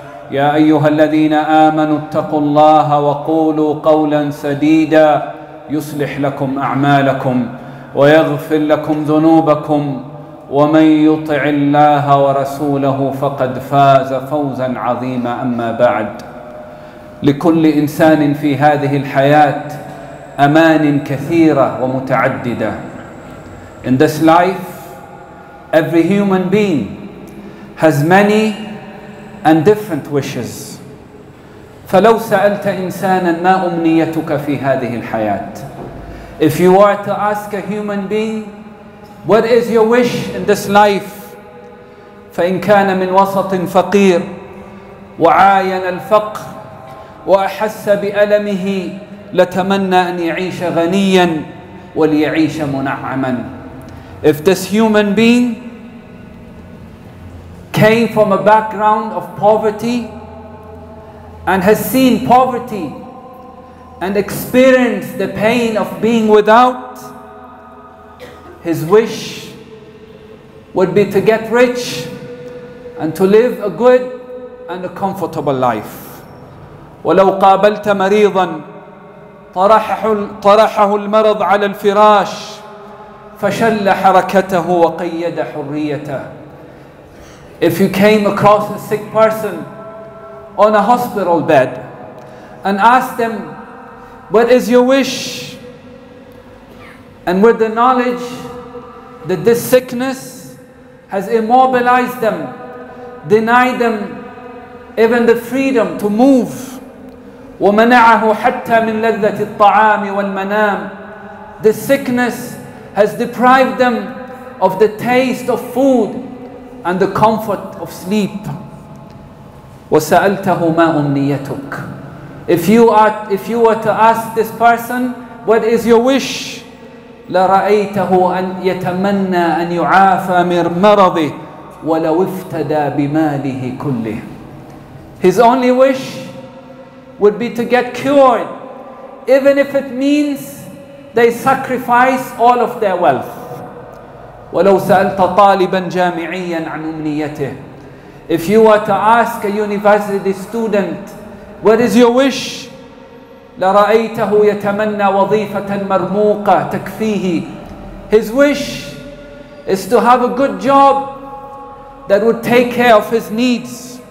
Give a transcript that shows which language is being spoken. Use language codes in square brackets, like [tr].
[ar] يا أيها الذين آمنوا اتقوا الله وقولوا قولا سديدا يصلح لكم أعمالكم ويغفر لكم ذنوبكم، ومن يطع الله ورسوله فقد فاز فوزا عظيما. أما بعد، لكل إنسان في هذه الحياة أمان كثيرة ومتعددة. [en] In this life, every human being has many and different wishes. [ar] فلو سألت إنسانا ما أمنيتك في هذه الحياة؟ [en] If you were to ask a human being, what is your wish in this life? [ar] فإن كان من وسط فقير وعاين الفقر وأحس بألمه لتمنى أن يعيش غنيا وليعيش منعما. [en] If this human being came from a background of poverty and has seen poverty and experienced the pain of being without, his wish would be to get rich and to live a good and a comfortable life. [ar] ولو قابلت مريضا طرحه المرض على الفراش فشل حركته وقيد حريته. [en] If you came across a sick person on a hospital bed and asked them, what is your wish? And with the knowledge that this sickness has immobilized them, denied them even the freedom to move, [ar] ومنعه حتى من لذة الطعام والمنام. [en] The sickness has deprived them of the taste of food and the comfort of sleep. [ar] وسألته ما أمنيتك. [en] If you were to ask this person, what is your wish? [ar] لرأيته أن يتمنى أن يعافى من مرضه ولو افتدى بماله كله. [en] His only wish would be to get cured, even if it means they sacrifice all of their wealth. [ar] ولو سألت طالبا جامعيا عن أمنيته. [en] If you were to ask a university student, what is your wish? [ar] لرأيته يتمنى وظيفة مرموقة تكفيه. [en] His wish is to have a good job that would take care of his needs.